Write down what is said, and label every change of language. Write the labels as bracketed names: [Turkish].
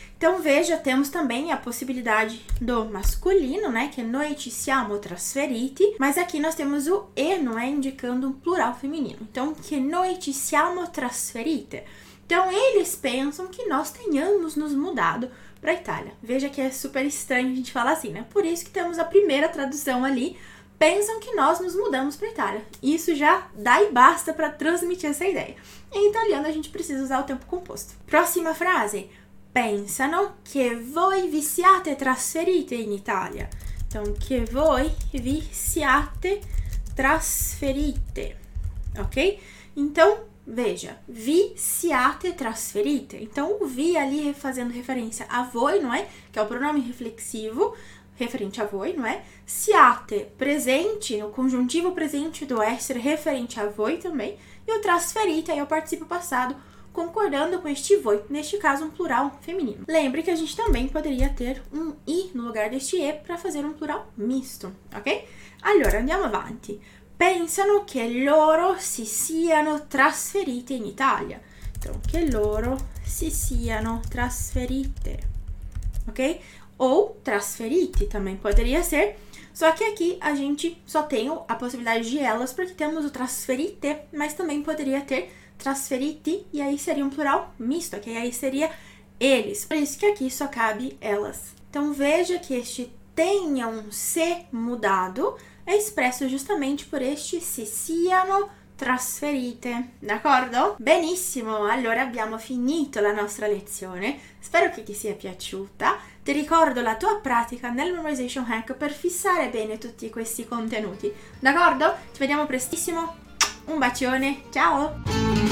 [Portuguese] Então, veja, temos também a possibilidade do masculino, né? [Italian] Que noi ci siamo trasferiti. [Portuguese] Mas aqui nós temos o e, não é? Indicando um plural feminino. Então, [Italian] che noi ci siamo trasferite. [Portuguese] Então, eles pensam que nós tenhamos nos mudado para a Itália. Veja que é super estranho a gente falar assim, né? Por isso que temos a primeira tradução ali. Pensam que nós nos mudamos para a Itália. Isso já dá e basta para transmitir essa ideia. Em italiano, a gente precisa usar o tempo composto. Próxima frase. [Italian] Pensano che voi vi siate trasferite in Italia. [Portuguese] Então, [Italian] che voi vi siate trasferite. [Portuguese] Ok? Então, veja. [Italian] Vi siate trasferite. [Portuguese] Então, o vi ali fazendo referência a voi, não é? Que é o pronome reflexivo referente a voi, não é? Siate, presente, no conjuntivo presente do essere referente a voi também. E o trasferite, aí é o participo passado, concordando com este voi, neste caso um plural feminino. Lembre que a gente também poderia ter um i no lugar deste e para fazer um plural misto, ok? [Italian] Allora, andiamo avanti. Pensano che loro si siano trasferite in Italia. [Portuguese] Então, [Italian] che loro si siano trasferite, [Portuguese] ok? Ou trasferite também poderia ser, só que aqui a gente só tem a possibilidade de elas porque temos o trasferite, mas também poderia ter trasferiti, e aí seria um plural misto, ok? Aí seria eles. Por isso que aqui só cabe elas. Então, veja que este tenham se mudado é expresso justamente por este [Italian] si siano trasferite. D'accordo? Benissimo! Allora, abbiamo finito la nostra lezione. Spero che ti sia piaciuta. Ti ricordo la tua pratica nel Memorization Hack per fissare bene tutti questi contenuti. D'accordo? Ci vediamo prestissimo. Un bacione. Ciao!